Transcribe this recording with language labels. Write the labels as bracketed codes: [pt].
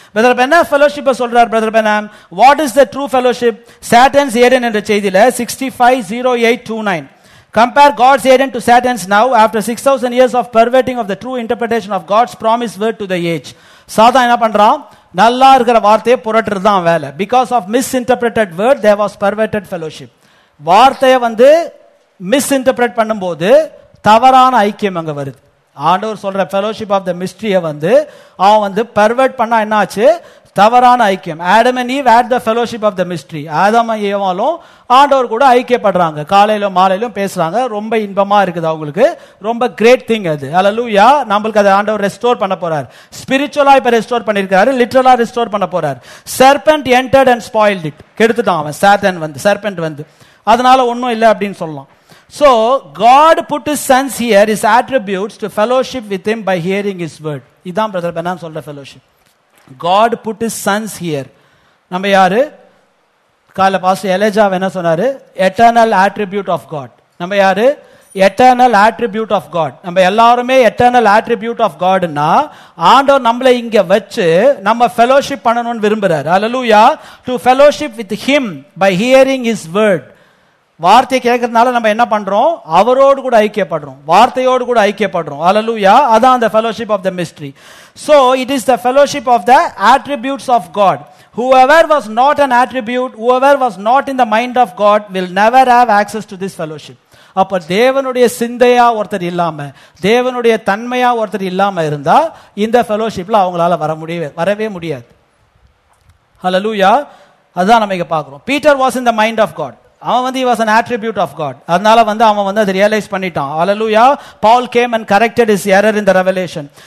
[ta] Brother பெனாம் fellowship சொல்றார். Brother பெனாம், [en] What is the true fellowship? [ta] சாட்டர்ன்ஸ் Aden என்ற செய்தியில 65:08-9. [en] Compare God's Eden to Satan's now after 6000 years of perverting of the true interpretation of God's promised word to the age. [ta] சாதா என்ன பண்றான், நல்லா இருக்கிற வார்த்தையை புரட்டுறது தான் வேலை. [en] Because of misinterpreted word there was perverted fellowship. [ta] வார்த்தையை வந்து மிஸ் இன்டர்பிரட் பண்ணும்போது தவறான ஐக்கியம் அங்கே வருது. ஆண்டவர் சொல்ற ஃபெலோஷிப் ஆஃப் த மிஸ்ட்ரியை வந்து அவன் வந்து பெர்வெர்ட் பண்ணா என்னாச்சு, தவறான ஐக்கியம். [en] Adam and Eve had the fellowship of the mystery. [ta] ஆதாம் ஏவாலும் ஆண்டவர் கூட ஐக்கியப்படுறாங்க, காலையிலும் மாலையிலும் பேசுறாங்க, ரொம்ப இன்பமா இருக்குது அவங்களுக்கு, ரொம்ப கிரேட் திங் அது. ஹல்லேலூயா. நம்மளுக்கு அதை ஆண்டவர் ரெஸ்டோர் பண்ண போறார். ஸ்பிரிச்சுவலா இப்ப ரெஸ்டோர் பண்ணிருக்காரு, லிட்டரலா ரெஸ்டோர் பண்ண போறார். [en] Serpent entered and spoiled it. [ta] கெடுத்துட்டான் அவன், சாத்தான் வந்து, சர்பன்ட் வந்து, அதனால ஒன்றும் இல்லை அப்படின்னு சொல்லலாம். [en] So, God put his sons here, his attributes, to fellowship with him by hearing his word. This is what Brother Benan said, fellowship. God put his sons here. Who is it? Pastor Elijah said, eternal attribute of God. Who is it? Eternal attribute of God. [ta] நம்ம எல்லாருமே [en] eternal attribute of God. [ta] ஆண்டவர் நம்மளை இங்க வச்சு நம்ம fellowship பண்ணணும்னு விரும்புறாரு. [en] Hallelujah. To fellowship with him by hearing his word. [ta] வார்த்தையை கேட்கறதுனால நம்ம என்ன பண்றோம், அவரோடு கூட ஐக்கியப்படுறோம், வார்த்தையோடு கூட ஐக்கியப்படுறோம். [en] Hallelujah. [ta] அதான் அந்த [en] fellowship of the mystery. So it is the fellowship of the attributes of God. Whoever was not an attribute, whoever was not in the mind of God will never have access to this fellowship. [ta] அப்ப தேவனுடைய சிந்தையா ஒருத்தர் இல்லாம, தேவனுடைய தன்மையா ஒருத்தர் இல்லாம இருந்தா இந்த ஃபெலோஷிப்ல அவங்களால வரவே முடியாது. ஹல்லேலூயா. அதுதான் நம்ம இங்க பாக்குறோம். [en] Peter was in the mind of God. [ta] அவன் வந்து [en] Was an attribute of God. [ta] அதனால வந்து அவன் வந்து அதை ரியலைஸ் பண்ணிட்டான். [en] Hallelujah. Paul came and corrected is error in the revelation.